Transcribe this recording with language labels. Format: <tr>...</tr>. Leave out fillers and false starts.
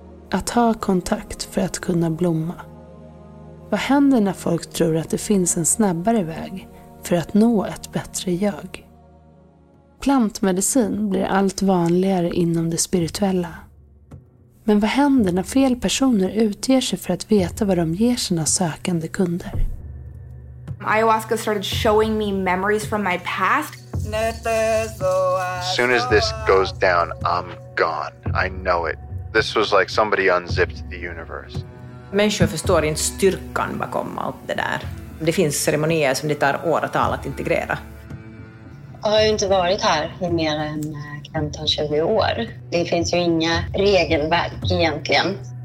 <sv>Att ha kontakt för att kunna blomma. Vad händer när folk tror att det finns en snabbare väg för att nå ett bättre jag? Plantmedicin blir allt vanligare inom det spirituella. Men vad händer när fel personer utger sig för att veta vad de ger sina sökande kunder?</sv> <en>Ayahuasca started showing me memories from my past. As soon as this goes down, I'm gone. I know it. This was like somebody unzipped the universe.</en> <sv>Människor förstår inte styrkan bakom allt det där. Det finns ceremonier som det tar åratal att integrera. Jag har ju inte varit här i mer än 15-20 år. Det finns ju inga regelverk egentligen.</sv>